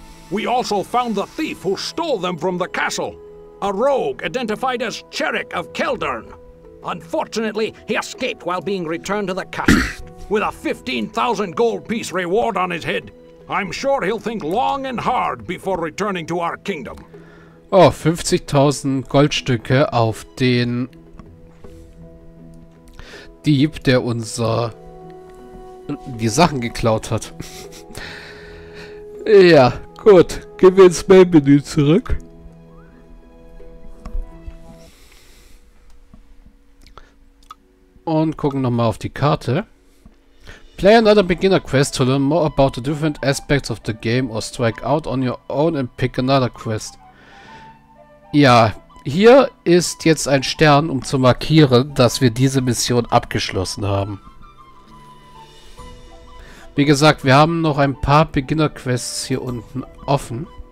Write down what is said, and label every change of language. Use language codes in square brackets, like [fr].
[en] We also found the thief who stole them from the castle. A rogue identified as Cherik of Keldern. Unfortunately, he escaped while being returned to the castle. With a 15,000 gold piece reward on his head, I'm sure he'll think long and hard before returning to our kingdom. [de] Oh, 50.000 Goldstücke auf den Dieb, der unser die Sachen geklaut hat. Ja, gut, gehen wir ins Main-Menü zurück. Und gucken nochmal auf die Karte. [en] Play another beginner quest to learn more about the different aspects of the game or strike out on your own and pick another quest. [de] Ja, hier ist jetzt ein Stern, um zu markieren, dass wir diese Mission abgeschlossen haben. Wie gesagt, wir haben noch ein paar beginner quests hier unten offen.